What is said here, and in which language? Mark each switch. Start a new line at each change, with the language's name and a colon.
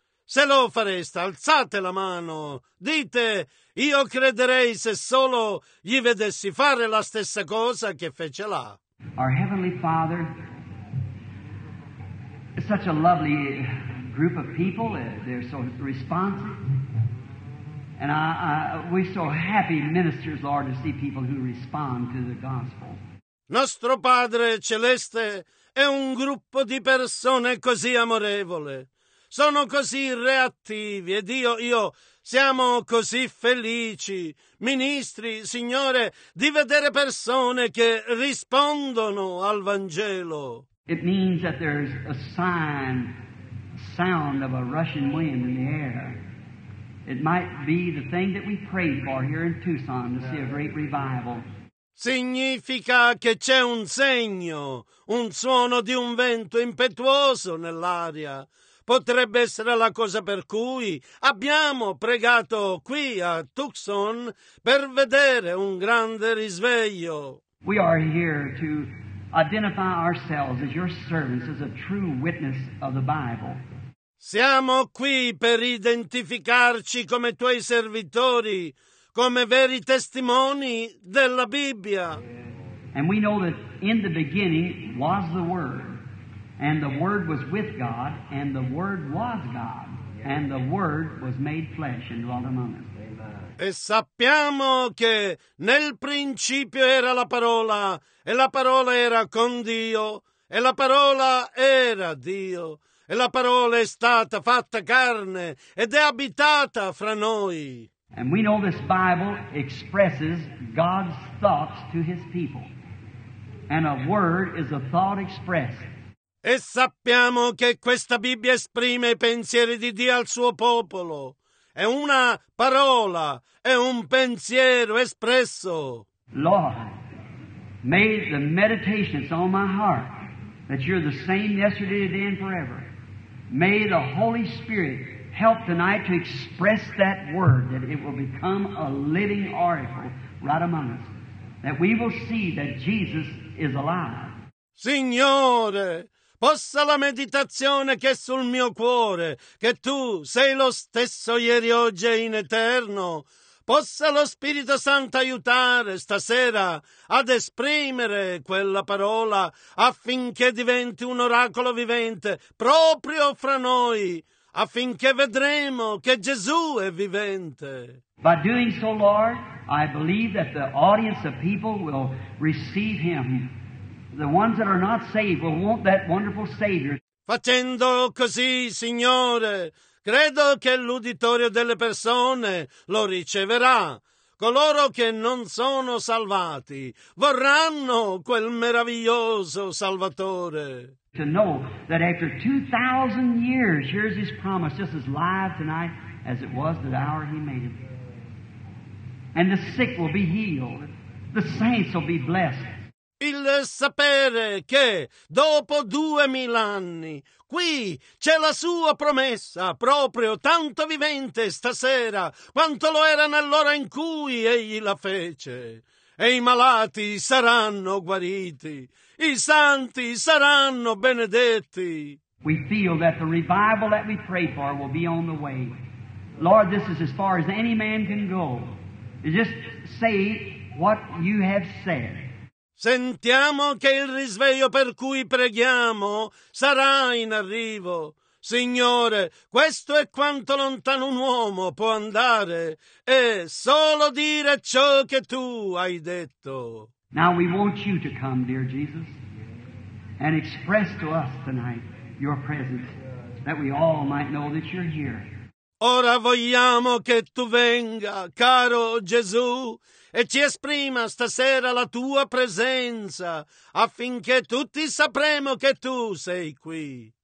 Italian: Se lo fareste, alzate la mano, dite, io crederei se solo gli vedessi fare la stessa cosa che fece là.
English: Our Heavenly Father, such a lovely group of people, they're so responsive. And we're so happy ministers, Lord, to see people who respond to the gospel.
Italian: Nostro Padre Celeste è un gruppo di persone così amorevole. Sono così reattivi ed io siamo così felici, ministri, Signore, di vedere persone che rispondono al Vangelo.
English: It means that there's a sign, sound of a rushing wind in the air. It might be the thing that we pray for here in Tucson to see a great revival.
Italian: Significa che c'è un segno, un suono di un vento impetuoso nell'aria. Potrebbe essere la cosa per cui abbiamo pregato qui a Tucson per vedere un grande risveglio.
English: We are here to identify ourselves as your servants, as a true witness of the Bible.
Italian: Siamo qui per identificarci come tuoi servitori, come veri testimoni della Bibbia.
English: And we know that in the beginning was the Word. And the Word was with God, and the Word was God, and the Word was made flesh and dwelt among us.
Italian: E sappiamo che nel principio era la parola, e la parola era con Dio, e la parola era Dio, e la parola è stata fatta carne ed è abitata fra noi.
English: And we know this Bible expresses God's thoughts to His people, and a word is a thought expressed.
Italian: E sappiamo che questa Bibbia esprime i pensieri di Dio al suo popolo. È una parola, è un pensiero espresso.
English: Lord, may the meditations on my heart, that you're the same yesterday, today, and forever. May the Holy Spirit help tonight to express that word, that it will become a living oracle right among us. That we will see that Jesus is alive.
Italian: Signore! Possa la meditazione che è sul mio cuore, che Tu sei lo stesso ieri, oggi e in eterno, possa lo Spirito Santo aiutare stasera ad esprimere quella parola affinché diventi un oracolo vivente proprio fra noi, affinché vedremo che Gesù è vivente.
English: By doing so, Lord, I believe that the audience of people will receive Him. The ones that are not saved will want that wonderful Savior.
Italian: Facendo così, Signore, credo che l'uditorio delle persone lo riceverà. Coloro che non sono salvati vorranno quel meraviglioso Salvatore.
English: To know that after 2,000 years, here's His promise, just as live tonight as it was the hour He made it. And the sick will be healed. The saints will be blessed.
Italian: Il sapere che dopo 2,000 anni qui c'è la sua promessa proprio tanto vivente stasera quanto lo era nell'ora in cui egli la fece. E i malati saranno guariti, i santi saranno benedetti.
English: We feel that the revival that we pray for will be on the way. Lord, this is as far as any man can go. Just say what you have said.
Italian: Sentiamo che il risveglio per cui preghiamo sarà in arrivo. Signore, questo è quanto lontano un uomo può andare e solo dire ciò che Tu hai detto.
English: Now we want You to come, dear Jesus, and express to us tonight Your presence, that we all might know that You're here.
Italian: Ora vogliamo che Tu venga, caro Gesù, e ci esprima stasera la Tua presenza, affinché tutti sapremo che Tu sei qui.